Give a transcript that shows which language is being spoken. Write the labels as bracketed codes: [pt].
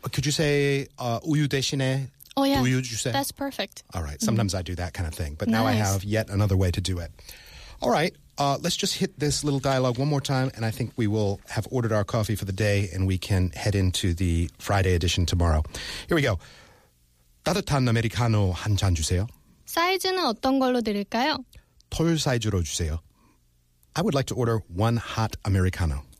[en] Could you say [ko] 우유 대신에? [en] Oh, yeah. [ko] 우유 주세요. [en] That's perfect. All right. Sometimes mm-hmm. I do that kind of thing. But nice. Now I have yet another way to do it. All right. Let's just hit this little dialogue one more time, and I think we will have ordered our coffee for the day, and we can head into the Friday edition tomorrow. Here we go. [ko] 따뜻한 아메리카노 한 잔 주세요. 사이즈는 어떤 걸로 드릴까요? 톨 사이즈로 주세요. [en] I would like to order one hot Americano.